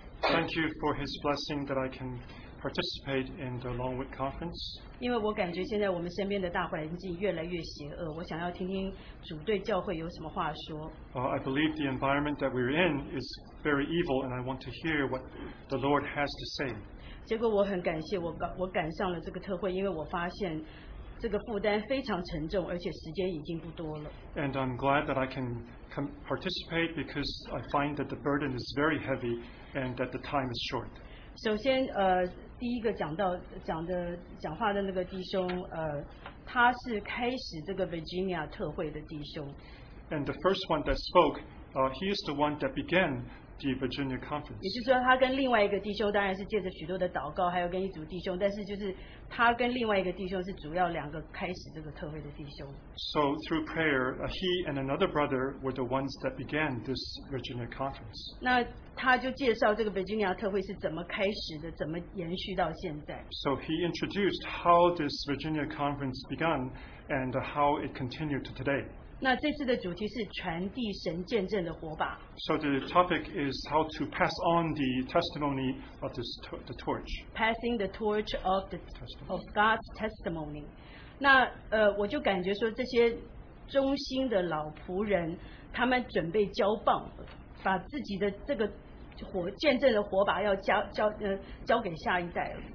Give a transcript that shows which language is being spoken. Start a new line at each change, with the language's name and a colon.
English: Thank you for His blessing that I can participate in the Longwood Conference.
Chinese: 因为我感觉现在我们身边的大环境越来越邪恶，我想要听听主对教会有什么话说。
English: I believe the environment that we're in is very evil, and I want to hear what the Lord has to say.
Chinese: 结果我很感谢我赶上了这个特会，因为我发现。
English: And I'm glad that I can participate because I find that the burden is very heavy and that the time is short.
Chinese: 首先，第一个讲话的那个弟兄，他是开始这个 Virginia 特会的弟兄。
English: And the first one that spoke, he is the one that began the Virginia Conference.
Chinese: 也就是说，他跟另外一个弟兄当然是借着许多的祷告，还有跟一组弟兄，但是就是他跟另外一个弟兄是主要两个开始这个特会的弟兄。
English: So through prayer, he and another brother were the ones that began this Virginia Conference.
Chinese: 那他就介绍这个 Virginia 特会是怎么开始的，怎么延续到现在。
English: So he introduced how this Virginia Conference began and how it continued to today.
Chinese: 那这次的主题是传递神见证的火把。
English: So the topic is how to pass on the testimony of this the torch. Passing the torch of the of God's testimony.
Chinese: 那我就感觉说这些忠心的老仆人，他们准备交棒，把自己的这个火见证的火把要交给下一代。